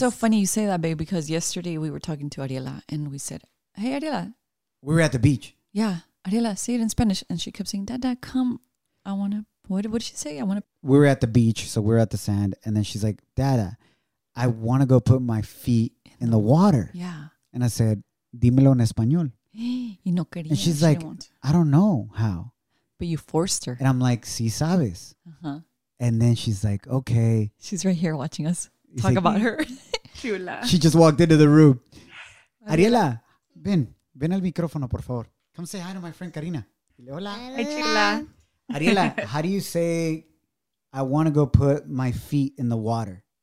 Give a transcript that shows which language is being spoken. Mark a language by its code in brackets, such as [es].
[en] That's so funny you say that, babe, because yesterday we were talking to Ariela and we said, hey, Ariela. We were at the beach. Yeah. Ariela, say it in Spanish. And she kept saying, Dada, come. I want to. What did she say? I want to. We were at the beach. So we're at the sand. And then she's like, Dada, I want to go put my feet in the water. Yeah. And I said, [es] dímelo en español. Y no quería. [en] And she's like, I don't know how. But you forced her. And I'm like, [es] sí sabes. [en] Uh-huh. And then she's like, okay. She's right here watching us talk like, about her. [es] Chula. [en] She just walked into the room. [es] Ariela, ven al micrófono, por favor. [en] Come say hi to my friend Karina. [es] Hola. Hola. [en] Hey, chula. Ariela, how do you say, I want to go put my feet in the water?